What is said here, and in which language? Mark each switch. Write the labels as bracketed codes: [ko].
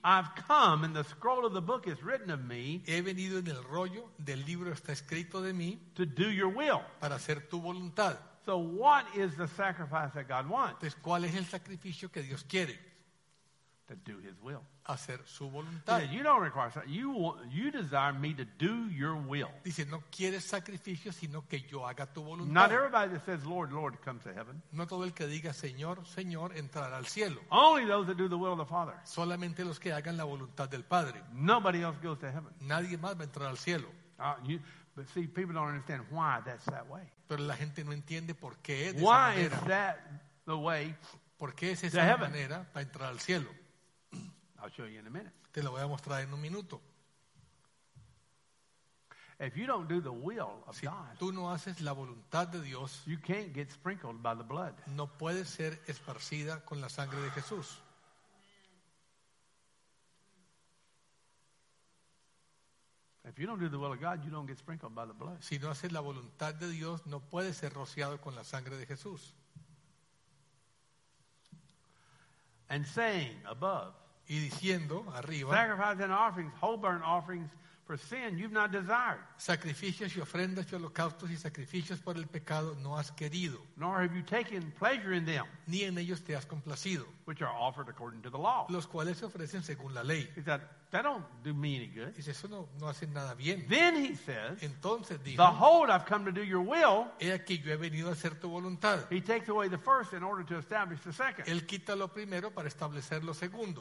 [en] I've come and the scroll of the book is written of me, [es] he venido en el rollo del libro está escrito de mí, [en] to do your will, [es] para hacer tu voluntad. [en] So what is the sacrifice that God wants? [es] Pues, ¿cuál es el sacrificio que Dios quiere? [en] To do his will. [es] Hacer su voluntad. [en] Said, you don't require you desire me to do your will. [es] Dice, no quieres sacrificio, sino que yo haga tu voluntad. [en] Not everybody that says Lord, Lord comes to heaven. [es] No todo el que diga Señor, Señor entrará al cielo. [en] Only those that do the will of the Father. [es] Solamente los que hagan la voluntad del Padre. [en] Nobody else goes to heaven. [es] Nadie más va a entrar al cielo. [en] But see, people don't understand why that's that way. [es] Pero la gente no entiende por qué de [en] why [es] esa manera. [en] Why is that the way? [es] ¿Por qué es esa manera para entrar al cielo? [en] I'll show you in a minute. [es] Te lo voy a mostrar en un minuto. [en] If you don't do the will of [es] si [en] God, [es] tú no haces la voluntad de Dios, [en] you can't get sprinkled by the blood. [es] No puedes ser esparcida con la sangre de Jesús. [en] If you don't do the will of God, you don't get sprinkled by the blood. [es] Si no haces la voluntad de Dios, no puedes ser rociado con la sangre de Jesús. [en] And saying above, [es] y diciendo arriba, [en] sacrifices and offerings, whole burnt offerings for sin you've not desired. [es] Sacrificios y ofrendas y holocaustos y sacrificios por el pecado no has querido. [en] Nor have you taken pleasure in them. [es] Ni en ellos te has complacido. [en] Which are offered according to the law. [es] Los cuales se ofrecen según la ley. [en] Is that that don't do me any good. [es] Dice, eso no hace nada bien. [en] Then he says, [es] entonces dijo, [en] behold, I've come to do your will. [es] He aquí, yo he venido a hacer tu voluntad. [en] He takes away the first in order to establish the second. [es] Él quita lo primero para establecer lo segundo.